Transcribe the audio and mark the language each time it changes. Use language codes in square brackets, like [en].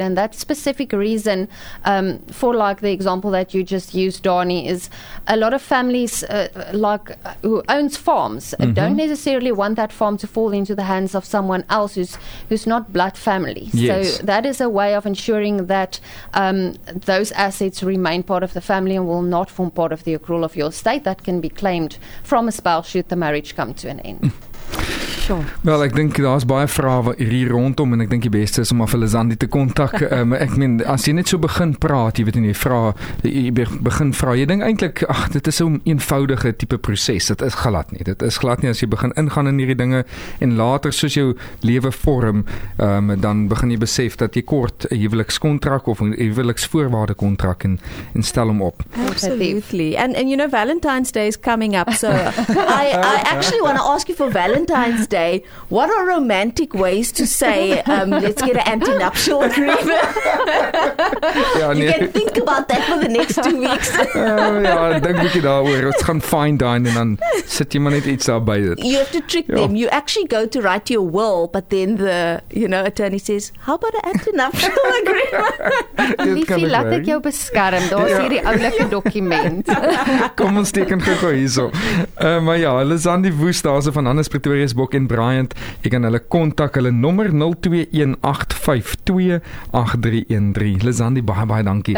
[en] And that specific reason for, like, the example that you just used, Donnie, is a lot of families who owns farms don't necessarily want that farm to fall into the hands of someone else who's not blood family. Yes. So that is a way of ensuring that those assets remain part of the family and will not form part of the accrual of your estate that can be claimed from a spouse should the marriage come to an end. Sure. [af] Wel, ek dink daar is baie vrae hier rondom en ek dink die beste is om af Lizandi te kontak. Ek meen, as jy net so begin praat, jy weet nie, jy begin vra, jy dink eintlik, ag, dit is so 'n eenvoudige tipe proses, dit is glad nie. Dit is glad nie as jy begin ingaan in hierdie dinge en later soos jou lewe vorm, dan begin jy besef dat jy kort 'n huwelikskontrak of 'n huweliksvoorwaardekontrak en stel hom op. [en] Absolutely. And you know, Valentine's Day is coming up, so I actually want to ask you for Valentine's Day, what are romantic ways to say, let's get an anti-nuptial agreement? You can think about that for the next 2 weeks. [af] Dink bietjie daaroor, ons gaan fine dine en dan sit jy maar net iets daarby. [en] You have to trick them. You actually go to write your will, but then the, you know, attorney says, how about an anti-nuptial agreement? [af] Liefie, laat ek jou beskerm, daar is hier die oulike document. Kom ons teken gou hierso. Maar ja, Lizandi Woest, daar is van Hannes Pretorius Bok en Bryant, jy kan hulle kontak, hulle nommer 0218528313. Lizandi, baie, baie dankie.